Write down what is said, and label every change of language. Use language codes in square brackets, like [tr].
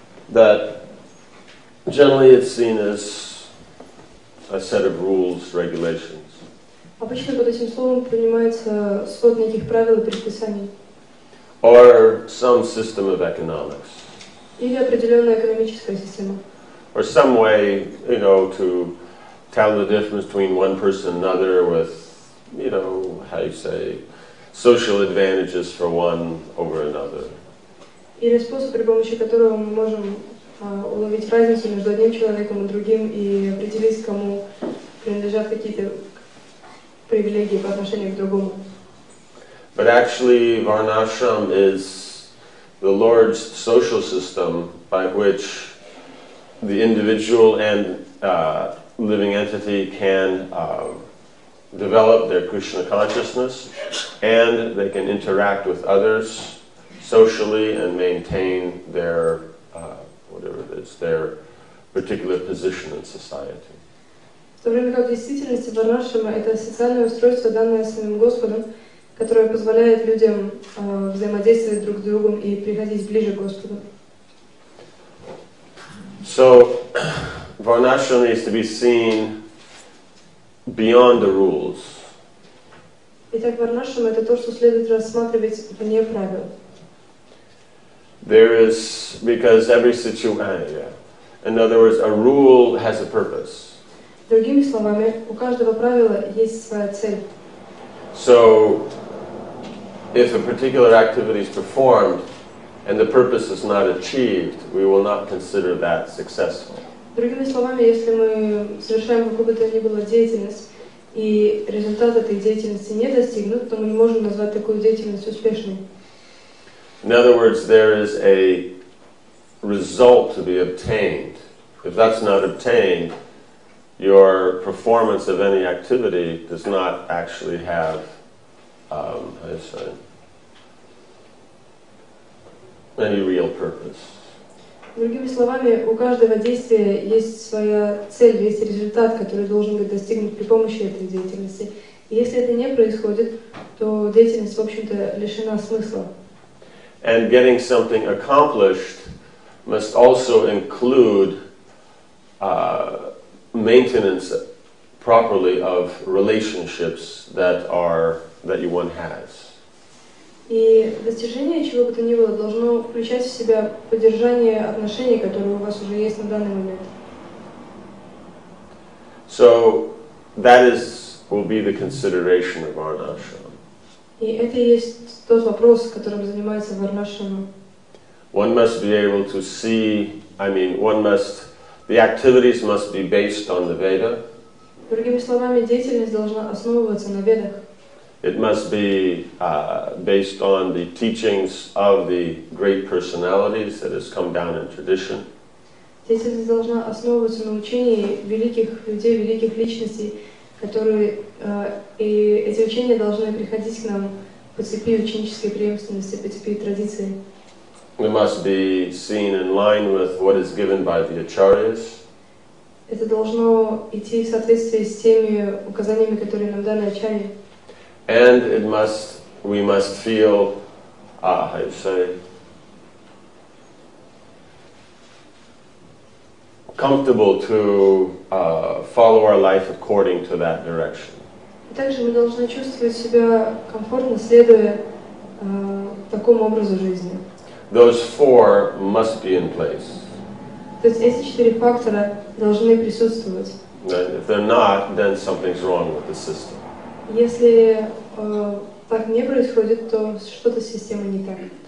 [en] That generally it's seen as a set of rules, regulations. [ru] Обычно под этим словом понимается свод неких правил и предписаний. [en] Or some system of economics. [ru] Или определенная экономическая система. [en] Or some way, you know, to tell the difference between one person and another with, you know, how you say, social advantages for one over another. [ru] Или способ, при помощи которого мы можем уловить разницу между одним человеком и другим и определить, кому принадлежат какие-то привилегии по отношению к другому. [en] But actually, Varnashram is the Lord's social system by which the individual and living entity can develop their Krishna consciousness, and they can interact with others socially and maintain their whatever it is, their particular position in society. [ru] В то время как в действительности Варнашрама это социальное устройство, данное самим Господом, которое позволяет людям взаимодействовать друг с другом и приходить ближе к Господу. [en] So, Varnashram needs to be seen beyond the rules. [ru] Итак, Варнашрам это то, что следует рассматривать вне правил. [en] There is, because every situation, in other words, a rule has a purpose. [ru] Другими словами, у каждого правила есть своя цель. [en] So, if a particular activity is performed and the purpose is not achieved, we will not consider that successful. [ru] Другими словами, если мы совершаем какую-то ни была деятельность и результат этой деятельности не достигнут, то мы не можем назвать такую деятельность успешной. [en] In other words, there is a result to be obtained. If that's not obtained, your performance of any activity does not actually have, how do you say, any real purpose. [ru] Другими словами, у каждого действия есть своя цель, есть результат, который должен быть достигнут при помощи этой деятельности. И если это не происходит, то деятельность, в общем-то, лишена смысла. [en] And getting something accomplished must also include maintenance properly of relationships that you one has. [ru] И достижение чего бы то ни было должно включать в себя поддержание отношений, которые у вас уже есть на данный момент. [en] So that is will be the consideration of Varnashram. [ru] И это и есть тот вопрос, которым занимается Варнашрама. [en] One must be able to see, I mean, one must, the activities must be based on the Veda. [ru] Другими словами, деятельность должна основываться на Ведах. [en] It must be based on the teachings of the great personalities that has come down in tradition. [ru] Деятельность должна основываться на учении великих людей, великих личностей, которые и эти учения должны приходить к нам по цепи ученической преемственности, по цепи традиции. [en] We must be seen in line with what is given by the acharyas. [ru] Это должно идти в соответствии с теми указаниями, которые нам даны ачарьи. [en] And we must feel, how you say, comfortable to follow our life according to that direction. [ru] Также мы должны чувствовать себя комфортно, следуя такому образу жизни. [en] Those four must be in place. [ru] То есть эти четыре фактора должны присутствовать. [en] And if they're not, then something's wrong with the system. [ru] Если так не происходит, то что-то с системой не так.